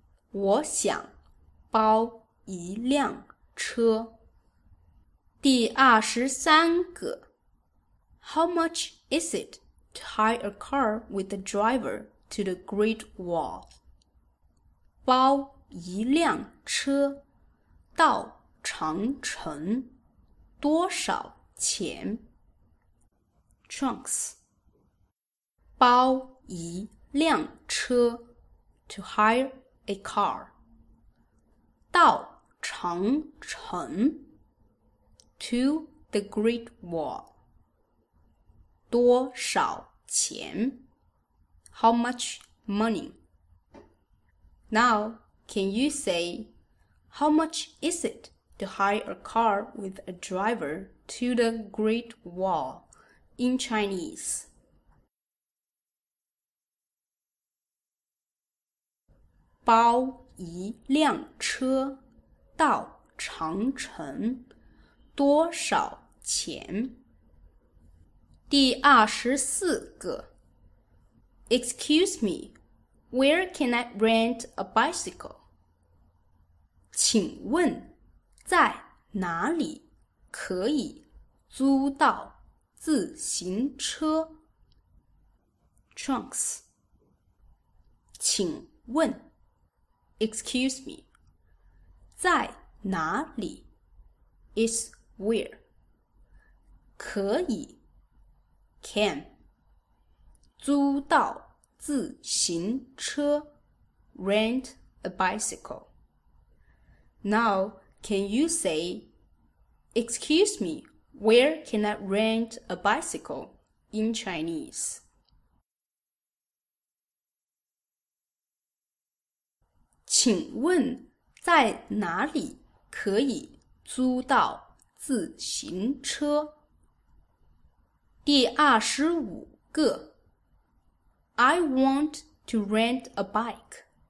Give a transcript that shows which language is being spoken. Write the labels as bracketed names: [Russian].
[Chinese] 我想包一辆车。第二十三个。 [English] How much is it to hire a car with a driver to the Great Wall? [Chinese] 包一辆车到长城多少钱? [English] Trunks. [Chinese] 包一辆车 [English] to hire a car. [Chinese] 到长城 [English] to the Great Wall [Chinese] 多少钱 [English] How much money? Now, can you say How much is it to hire a car with a driver to the Great Wall in Chinese? [Chinese] 包一辆车到长城多少钱？第二十四个。 [English] Excuse me, where can I rent a bicycle? [Chinese] 请问在哪里可以租到自行车 ？ [English] Trunks， [Chinese] 请问。 [English] Excuse me, [Chinese] 在哪里 [English] is where, [Chinese] 可以 [English] can, [Chinese] 租到自行车 [English] rent a bicycle. Now, can you say, Excuse me, where can I rent a bicycle in Chinese? [Chinese] 请问在哪里可以租到自行车？第二十五个。 [English] I want to rent a bike.